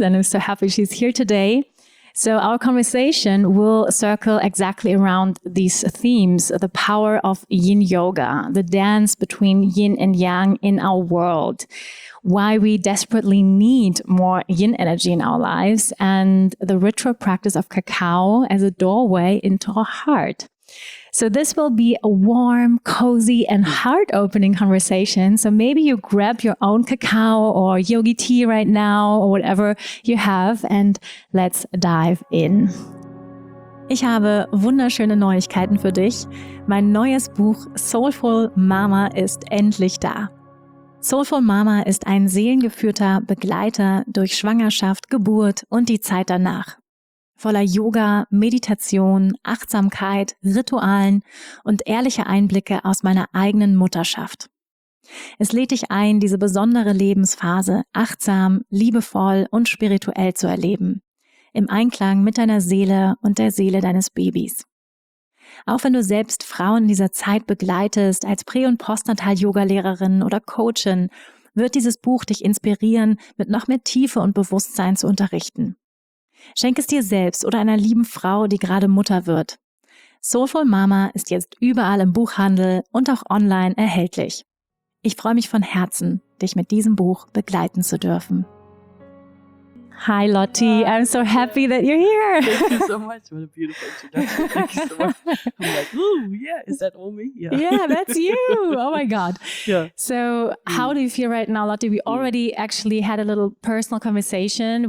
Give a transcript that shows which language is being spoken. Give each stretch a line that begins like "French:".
English: And I'm so happy she's here today. So our conversation will circle exactly around these themes, the power of yin yoga, the dance between yin and yang in our world, why we desperately need more yin energy in our lives, and the ritual practice of cacao as a doorway into our heart. So this will be a warm, cozy, and heart-opening conversation. So maybe you grab your own cacao or yogi tea right now or whatever you have, and let's dive in.
German: Ich habe wunderschöne Neuigkeiten für dich. Mein neues Buch Soulful Mama ist endlich da. Soulful Mama ist ein seelengeführter Begleiter durch Schwangerschaft, Geburt und die Zeit danach. Voller Yoga, Meditation, Achtsamkeit, Ritualen und ehrliche Einblicke aus meiner eigenen Mutterschaft. Es lädt dich ein, diese besondere Lebensphase achtsam, liebevoll und spirituell zu erleben, im Einklang mit deiner Seele und der Seele deines Babys. Auch wenn du selbst Frauen in dieser Zeit begleitest, als Prä- und Postnatal-Yoga-Lehrerin oder Coachin, wird dieses Buch dich inspirieren, mit noch mehr Tiefe und Bewusstsein zu unterrichten. Schenk es dir selbst oder einer lieben Frau, die gerade Mutter wird. Soulful Mama ist jetzt überall im Buchhandel und auch online erhältlich. Ich freue mich von Herzen, dich mit diesem Buch begleiten zu dürfen.
English: Hi Lottie, I'm so happy that you're here. Thank you so much. What a beautiful introduction. Thank you so much. I'm like, ooh, yeah, is that all me? Yeah, that's you. Oh my God. Yeah. So how do you feel right now, Lottie? We already actually had a little personal conversation.